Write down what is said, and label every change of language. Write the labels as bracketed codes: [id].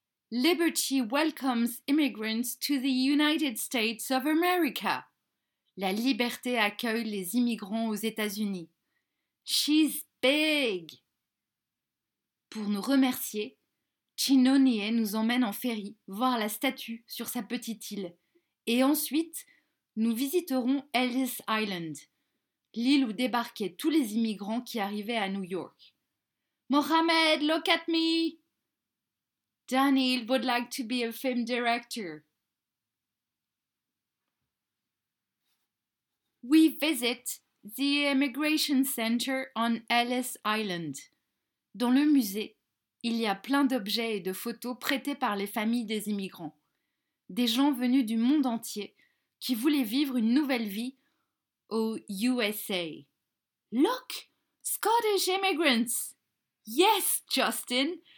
[en] Liberty welcomes immigrants to the United States of America. [fr] La liberté accueille les immigrants aux États-Unis. [en] She's big! [fr] Pour nous remercier, Chino Nye nous emmène en ferry voir la statue sur sa petite île. Et ensuite, nous visiterons Ellis Island, l'île où débarquaient tous les immigrants qui arrivaient à New York. [en] Mohamed, look at me! Daniel would like to be a film director. We visit the immigration center on Ellis Island. [fr] Dans le musée, il y a plein d'objets et de photos prêtés par les familles des immigrants. Des gens venus du monde entier qui voulaient vivre une nouvelle vie au USA. [en] Look! Scottish immigrants! Yes, Justin!